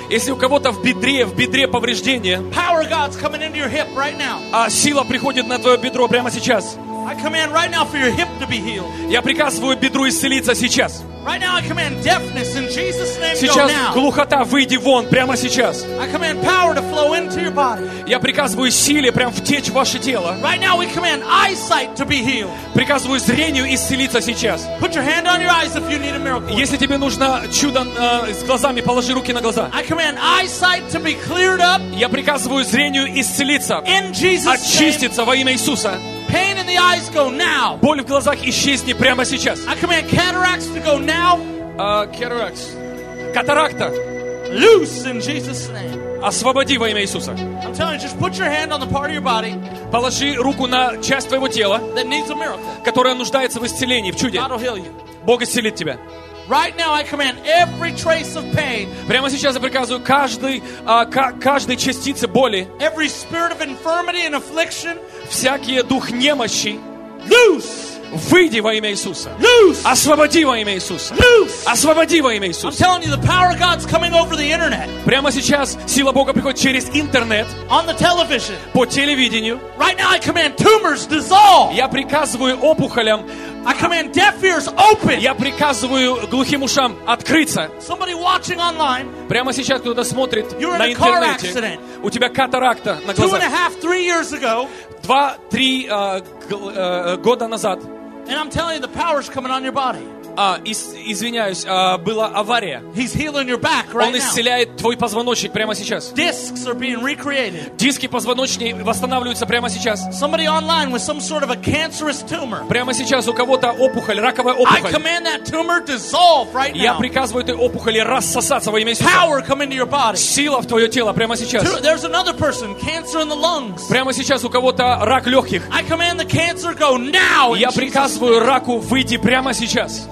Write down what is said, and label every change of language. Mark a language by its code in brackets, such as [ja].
[ru] Если у кого-то в бедре повреждение. [en] Power God's coming into your hip right now. [ru] А сила приходит на твое бедро прямо сейчас. [en] I command right now for your hip to be healed. [ru] Я приказываю бедру исцелиться сейчас. [en] Right now I command deafness in Jesus' name. [ru] Сейчас глухота, выйди вон прямо сейчас. [en] I command power to flow into your body. [ru] Я приказываю силе прям втечь в ваше тело. [en] Right now we command eyesight to be healed. [ru] Приказываю зрению исцелиться сейчас. [en] Put your hand on your eyes if you need a miracle. [ru] Если тебе нужно чудо с глазами, положи руки на глаза. [en] I command eyesight to be cleared up. [ru] Я приказываю зрению исцелиться. [en] In Jesus' name. [ru] Очиститься во имя Иисуса. [en] Pain in the eyes go now. [ru] Боль в глазах исчезни прямо сейчас. [en] I command cataracts to go now. [ru] Cataracts. Катаракта. [en] Loose in Jesus' name. [ru] Освободи во имя Иисуса. [en] I'm telling you, just put your hand on the part of your body. [ru] Положи руку на часть твоего тела. [en] That needs a miracle. [ru] Которая нуждается в исцелении, в чуде. [en] God will heal you. [ru] Бог исцелит тебя. [en] Right now I command every trace of pain. [ru] Прямо сейчас я приказываю каждой частице боли. [en] Every spirit of infirmity and affliction. [ru] Всякий дух немощи. [en] Loose. [ru] Выйди во имя Иисуса. [en] Loose. [ru] Освободи во имя Иисуса. [en] Loose. [ru] Освободи во имя Иисуса. [en] I'm telling you, the power of God's coming over the internet. [ru] Прямо сейчас сила Бога приходит через интернет. [en] On the television. [ru] По телевидению. [en] Right now I command tumors dissolve. [ru] Я приказываю опухолям. [en] I command deaf ears open. [ru] Я приказываю глухим ушам открыться. [en] Somebody watching online. [ru] Прямо сейчас кто-то смотрит [en] you're [ru] на [en] in [ru] интернете. [en] A car accident. [ru] У тебя катаракта на глазах. [en] Two and a half, 3 years ago. [ru] 2-3 года назад. [en] And I'm telling you, the power's coming on your body. [ru] Извиняюсь, была авария. [en] He's healing your back right [ru] Он исцеляет [en] now. [ru] Твой позвоночник прямо сейчас. [en] Discs are being recreated. [ru] Диски позвоночные восстанавливаются прямо сейчас. [en] Somebody online with some sort of a cancerous tumor. [ru] Прямо сейчас у кого-то опухоль, раковая опухоль. [en] I command that tumor dissolve right now. [ru] Я приказываю этой опухоли рассосаться во имя Иисуса. [en] Power come into your body. [ru] Сила в твое тело прямо сейчас. [en] There's another person, cancer in the lungs. [ru] Прямо сейчас у кого-то рак легких. [en] I command the cancer go now. [ru] Я приказываю раку выйти прямо сейчас.